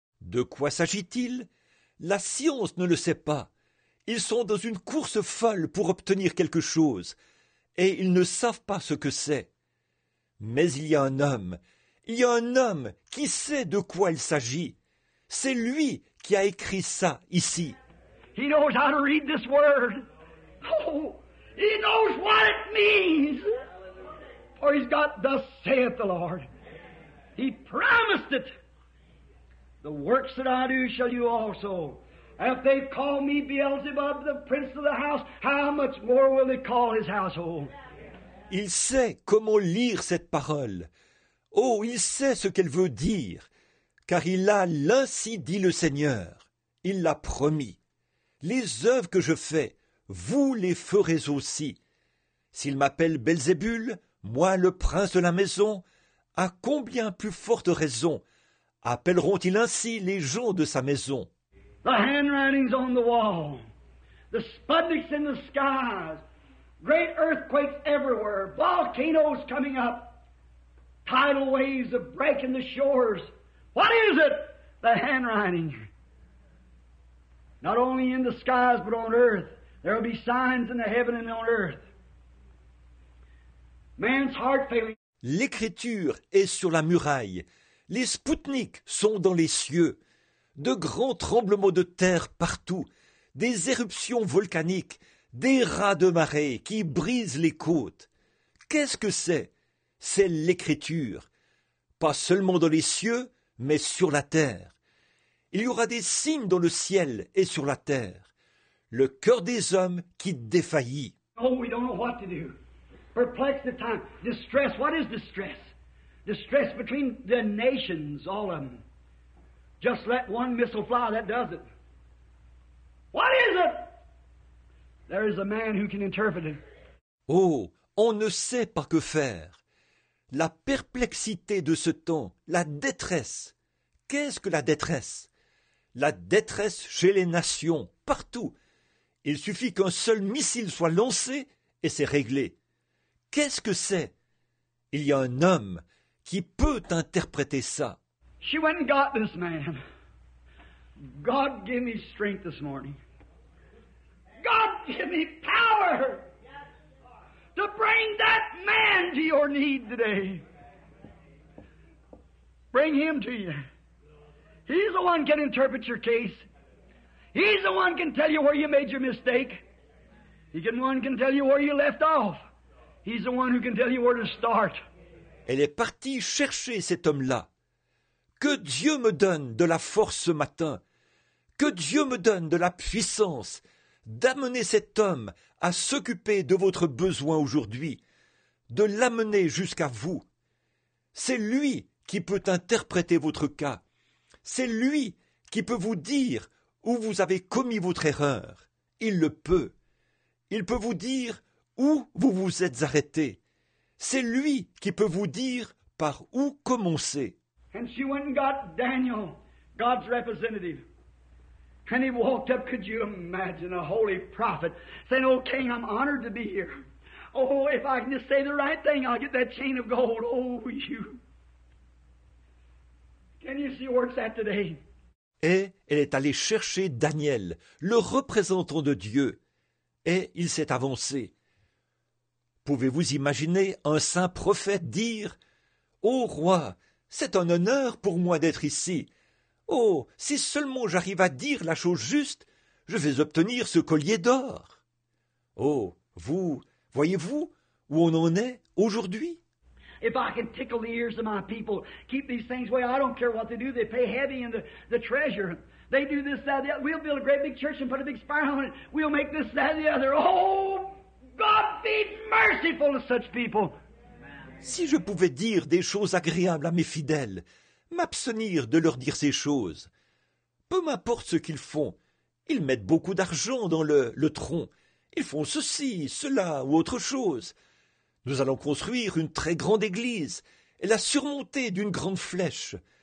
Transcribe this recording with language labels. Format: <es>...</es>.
<fr>De quoi s'agit-il? La science ne le sait pas. Ils sont dans une course folle pour obtenir quelque chose, et ils ne savent pas ce que c'est. Mais il y a un homme, il y a un homme qui sait de quoi il s'agit. C'est lui qui a écrit ça ici.</fr> <en>He knows how to read this word. Oh, he knows what it means. For he's got thus saith the Lord. He promised it. The works that I do shall you also. If they call me Beelzebub, the prince of the house, how much more will they call his household?</en> <fr>Il sait comment lire cette parole. Oh, il sait ce qu'elle veut dire, car il a l'ainsi dit le Seigneur. Il l'a promis. Les œuvres que je fais, vous les ferez aussi. S'il m'appelle Beelzebul, moi le prince de la maison, à combien plus forte raison appelleront-ils ainsi les gens de sa maison?</fr> <en>The handwriting's on the wall. The Sputniks in the skies. Great earthquakes everywhere. Volcanoes coming up. Tidal waves are breaking the shores. What is it? The handwriting. Not only in the skies, but on earth. There will be signs in the heaven and on earth. Man's heart failing.</en> <fr>L'écriture est sur la muraille. Les Sputniks sont dans les cieux. De grands tremblements de terre partout, des éruptions volcaniques, des rats de marée qui brisent les côtes. Qu'est-ce que c'est? C'est l'écriture. Pas seulement dans les cieux, mais sur la terre. Il y aura des signes dans le ciel et sur la terre. Le cœur des hommes qui défaillit.</fr> <en>Oh, we don't know what to do. Perplexed at times. Distress. What is distress? Distress between the nations, all of them. Just let one missile fly, that does it. What is it? There is a man who can interpret it.</en> <fr>Oh, on ne sait pas que faire. La perplexité de ce temps, la détresse. Qu'est-ce que la détresse? La détresse chez les nations, partout. Il suffit qu'un seul missile soit lancé et c'est réglé. Qu'est-ce que c'est? Il y a un homme qui peut interpréter ça.</fr> <en>She went and got this man. God give me strength this morning. God give me power to bring that man to your need today. Bring him to you. He's the one can interpret your case. He's the one can tell you where you made your mistake. He can one can tell you where you left off. He's the one who can tell you where to start.</en> <fr>Elle est partie chercher cet homme-là. Que Dieu me donne de la force ce matin. Que Dieu me donne de la puissance d'amener cet homme à s'occuper de votre besoin aujourd'hui, de l'amener jusqu'à vous. C'est lui qui peut interpréter votre cas. C'est lui qui peut vous dire où vous avez commis votre erreur. Il le peut. Il peut vous dire où vous vous êtes arrêté. C'est lui qui peut vous dire par où commencer.</fr> <en>And she went and got Daniel, God's representative. And he walked up, could you imagine, a holy prophet, saying, oh, King, I'm honored to be here. Oh, if I can just say the right thing, I'll get that chain of gold. Oh, you. Can you see where it's at today?</en> <fr>Et elle est allée chercher Daniel, le représentant de Dieu. Et il s'est avancé. Pouvez-vous imaginer un saint prophète dire, « Oh roi, c'est un honneur pour moi d'être ici. Oh, si seulement j'arrive à dire la chose juste, je vais obtenir ce collier d'or. » Oh, vous, voyez-vous où on en est aujourd'hui?</fr> <en>If I can tickle the ears of my people, keep these things away, I don't care what they do, they pay heavy in the treasure. They do this, that, the other. We'll build a great big church and put a big spire on it. We'll make this, that, the other. Oh! God be merciful to such people.</en> <fr>Si je pouvais dire des choses agréables à mes fidèles, m'abstenir de leur dire ces choses, peu m'importe ce qu'ils font, ils mettent beaucoup d'argent dans le tronc, ils font ceci, cela ou autre chose. Nous allons construire une très grande église et la surmonter d'une grande flèche.</fr>